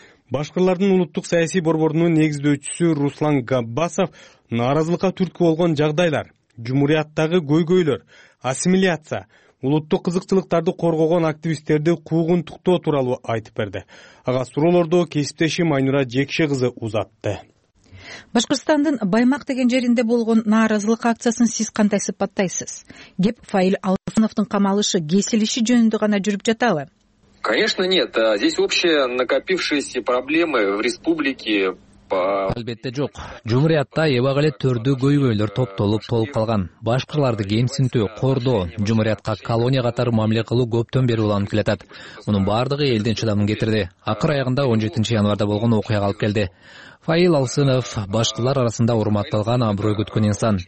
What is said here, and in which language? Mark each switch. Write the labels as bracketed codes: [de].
[ky] Башкырлардын улуттук саясий борборунун негиздөөчүсү Руслан Габбасов нааразылыкка түрткү болгон жагдайлар, жумурияттагы көйгөйлөр, ассимиляция, улуттук кызыкчылыктарды коргогон активисттерди куугунтуктоо тууралуу айтып берди. Ага суроолорду кесиптешим Айнура Жекши кызы узатты. Башкырстандын Баймак деген жеринде болгон нааразылык акциясын сиз кандай сыпаттайсыз? Кеп Фаил Алсыновдун камалышы, кесилиши жөнүндө гана жүрүп жатабы? [ru] Конечно, нет. Здесь общие накопившиеся проблемы в республике. [ky] Албетте жок. Жумурятта эба кале төрдү көйгөйлөр топтолуп толуп калган. Башкырларды кемсинтүү, кордоо, жумурятка колония катары мамиле кылуу көптөн бери уланып келатат. Мунун баардыгы элдин чыдамын кетирди. Акыр аягында 17 январда болгон окуяга алып келди. Фаил Алсынов башкылар арасында урматталган, аброй көткөн инсан.